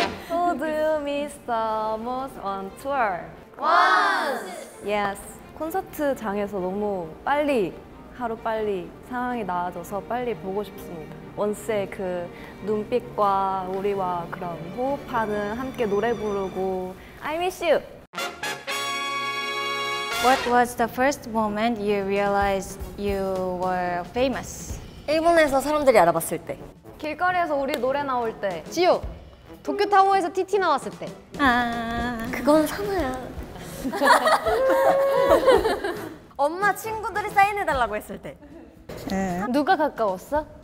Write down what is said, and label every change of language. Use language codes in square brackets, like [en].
[en] Who do you miss the most on tour? Once! Yes. [ko] 콘서트장에서 너무 빨리 하루빨리 상황이 나아져서 빨리 보고 싶습니다. 원스의 그 눈빛과 우리와 그런 호흡하는 함께 노래 부르고 [en] I miss you! What was the first moment you realized you were famous? [ko] 일본에서 사람들이 알아봤을 때 길거리에서 우리 노래 나올 때 지효! 도쿄타워에서 TT 나왔을 때 아... 그건 산호야 엄마 친구들이 사인해달라고 했을 때 누가 가까웠어?